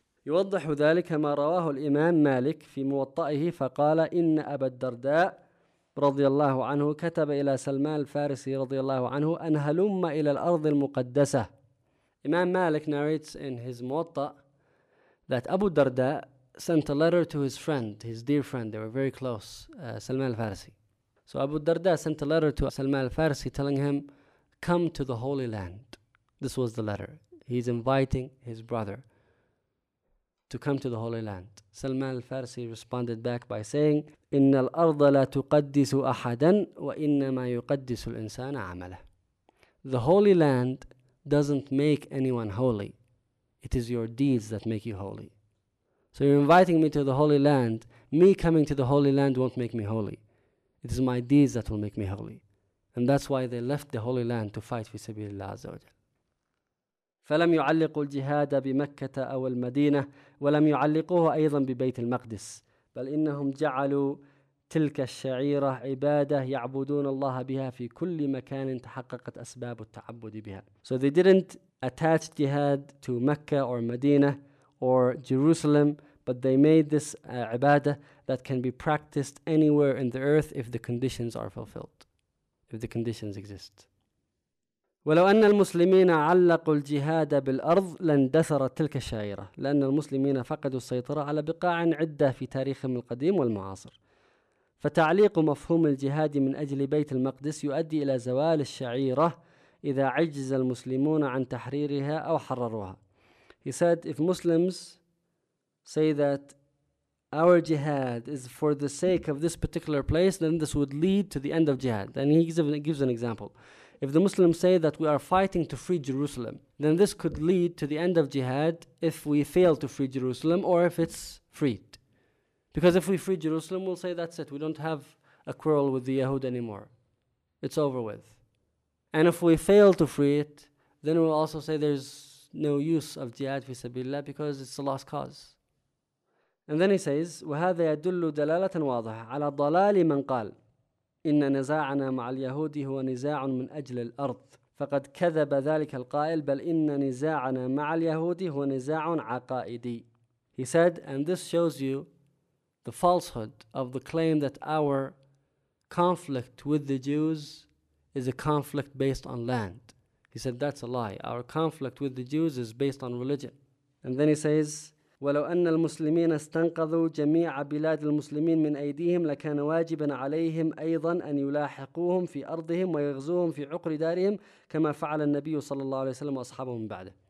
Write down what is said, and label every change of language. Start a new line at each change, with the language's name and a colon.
Arabic: يوضح ذلك ما رواه الإمام مالك في موطئه فقال إن أبا الدرداء رضي الله عنه كتب إلى سلمان الفارسي رضي الله عنه أن هلم إلى الأرض المقدسة.
English: Imam Malik narrates in his Muwatta that Abu Darda sent a letter to his friend, his dear friend, they were very close, Salman al-Farsi. So Abu Darda sent a letter to Salman al-Farsi telling him, come to the Holy Land. This was the letter. He's inviting his brother to come to the Holy Land. Salman al-Farsi responded back by saying,
Arabic: إِنَّ الْأَرْضَ لَا تُقَدِّسُ أَحَدًا وَإِنَّمَا يُقَدِّسُ الْإِنسَانَ عَمَلَهُ.
English: The Holy Land doesn't make anyone holy. It is your deeds that make you holy. So you're inviting me to the Holy Land. Me coming to the Holy Land won't make me holy. It is my deeds that will make me holy. And that's why they left the Holy Land to fight for
Arabic: سبيل الله عز وجل. فلم يعلقوا الجهاد بمكة أو المدينة ولم يعلقوه أيضا ببيت المقدس بل إنهم جعلوا تلك الشعيرة عبادة يعبدون الله بها في كل مكان تحققت أسباب التعبد بها.
English: So they didn't attach jihad to Mecca or Medina or Jerusalem, but they made this ibadah that can be practiced anywhere in the earth if the conditions are fulfilled, if the conditions exist.
Arabic: ولو أن المسلمين علقوا الجهاد بالأرض لاندثرت تلك الشعيرة لأن المسلمين فقدوا السيطرة على بقاع عدة في تاريخهم القديم والمعاصر. فتعليق مفهوم الجهاد من أجل بيت المقدس يؤدي إلى زوال الشعيرة إذا عجز المسلمون عن تحريرها أو حرروها.
English: He said, if Muslims say that our jihad is for the sake of this particular place, then this would lead to the end of jihad. And he gives an example. If the Muslims say that we are fighting to free Jerusalem, then this could lead to the end of jihad if we fail to free Jerusalem or if it's freed. Because if we free Jerusalem, we'll say that's it. We don't have a quarrel with the Yahud anymore. It's over with. And if we fail to free it, then we'll also say there's no use of jihad fi sabilillah because it's a lost cause. And then he says,
Arabic: وَهَذَا يَدُلُّ دَلَالَةً وَاضَحَةً عَلَى ضَلَالِ مَنْ قَالْ إِنَّ نَزَاعَنَا مَعَ الْيَهُودِ هُوَ نِزَاعٌ مِنْ أَجْلِ الْأَرْضِ فَقَدْ كَذَبَ ذَلِكَ الْقَائِلْ بَلْ إِنَّ نِزَاعَنَا مَعَ الْيَهُودِ هُوَ نِزَاعٌ عَقَائِدِي.
English: He said, and this shows you the falsehood of the claim that our conflict with the Jews is a conflict based on land. He said, that's a lie. Our conflict with the Jews is based on religion. And then he says,
Arabic: ولو أن المسلمين استنقذوا جميع بلاد المسلمين من أيديهم لكان واجبا عليهم أيضا أن يلاحقوهم في أرضهم ويغزوهم في عقر دارهم كما فعل النبي صلى الله عليه وسلم وأصحابه من بعده.